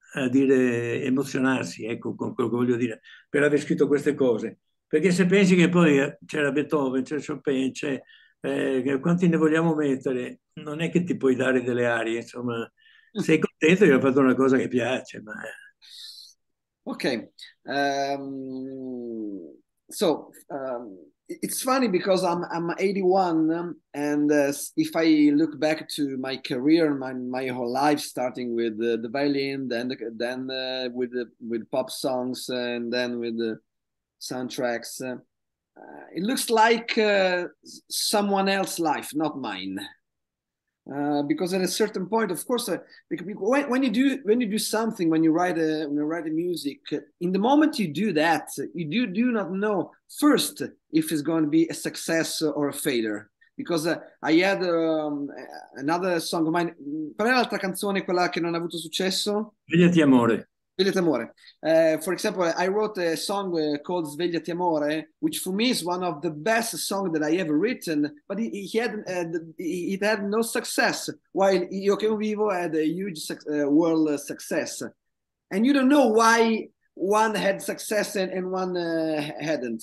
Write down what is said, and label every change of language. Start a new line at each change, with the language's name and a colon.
Italian: dire, emozionarsi, ecco, con quello che voglio dire, per aver scritto queste cose. Perché se pensi che poi c'era Beethoven, c'era Chopin, c'è, quanti ne vogliamo mettere, non è che ti puoi dare delle arie, insomma. Sei contento che hai fatto una cosa che piace, ma...
English: Ok, so it's funny because I'm 81 and if I look back to my career, my whole life, starting with the violin, then with pop songs and then with the soundtracks, it looks like someone else's life, not mine. Because at a certain point, of course, when you write a music, in the moment you do that, you do not know first if it's going to be a success or a failure. Because I had another song of mine.
Italian: Qual è l'altra canzone, quella che non ha avuto successo? Svegliati amore. Svegliati amore.
English: For example, I wrote a song called Svegliati amore, which for me is one of the best songs that I ever written, but it had no success, while Io che vivo had a huge world success. And you don't know why one had success and one hadn't.